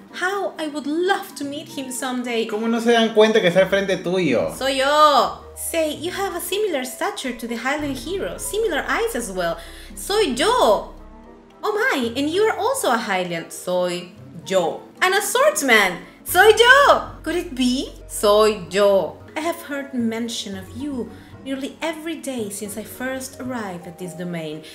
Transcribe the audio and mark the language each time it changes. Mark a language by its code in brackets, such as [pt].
[en] How I would love to meet him someday. [es] ¿Cómo no se dan cuenta que está al frente tuyo? Soy yo. [en] Say, you have a similar stature to the Highland hero. Similar eyes as well. [es] Soy yo. [en] Oh my, and you are also a Highland. [es] Soy yo. [en] An assortman. Soy yo. Could it be? [es] Soy yo. [en] I have heard mention of you nearly every day since I first arrived at this domain.